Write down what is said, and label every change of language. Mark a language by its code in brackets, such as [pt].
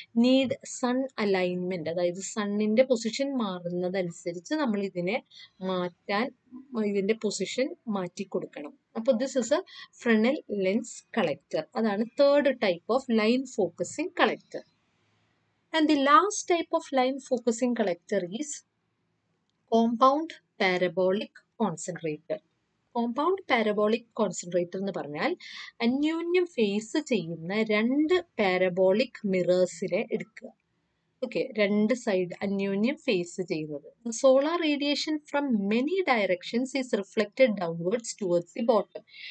[en] need sun alignment, [ml] അതായത് സണ്ണിൻ്റെ position മാറുന്നതനുസരിച്ച് നമ്മളിതിനെ മാറ്റാൻ, ഇതിൻ്റെ പൊസിഷൻ മാറ്റിക്കൊടുക്കണം. [en] അപ്പോൾ this is a Fresnel lens collector. അതാണ് third type of line focusing collector. And the last type of line focusing collector is compound parabolic concentrator. [ml] Compound parabolic concentrator എന്ന് പറഞ്ഞാൽ അന്യോന്യം face ചെയ്യുന്ന രണ്ട് പാരബോളിക് മിറേഴ്സിനെ എടുക്കുക. [en] okay, [ml] രണ്ട് side അന്യോന്യം face ചെയ്യുന്നത്. [en] Solar radiation from many directions is reflected downwards towards the bottom.